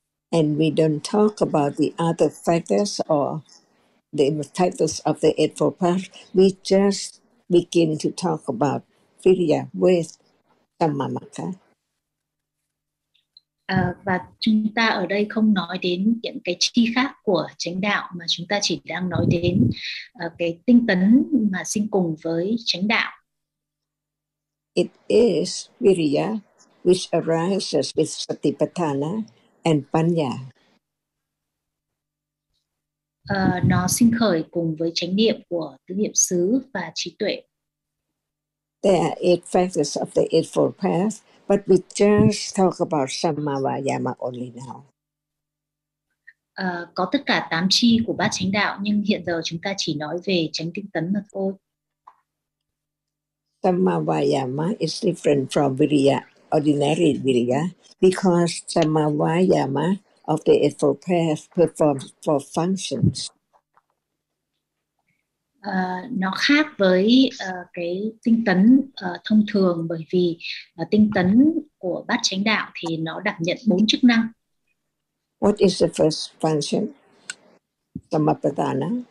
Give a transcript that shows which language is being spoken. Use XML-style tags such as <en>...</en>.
<en>And we don't talk about the other factors or the titles of the Eightfold Path. We just begin to talk about Virya with Sammamaka.</en> <vi>Và chúng ta ở đây không nói đến những cái chi khác của chánh đạo mà chúng ta chỉ đang nói đến cái tinh tấn mà sinh cùng với chánh đạo.</vi> <en>It is Virya which arises with Satipatthana and Panya.</en> <vi>Nó sinh khởi cùng với chánh niệm của tứ niệm xứ và trí tuệ.</vi> <en>There are eight factors of the Eightfold Path, but we just talk about Sammavayama only now.</en> <vi>Có tất cả tám chi của bát chánh đạo, nhưng hiện giờ chúng ta chỉ nói về chánh tinh tấn mà thôi.</vi> <en>Sammavayama is different from Viriya. Ordinary Virya, because Sammavayama of the Eightfold Path performs four functions.</en> <vi>Nó khác với cái tinh tấn thông thường bởi vì tinh tấn của bát chánh đạo thì nó đảm nhận bốn chức năng.</vi> <en>What is the first function? Sammapadana.</en>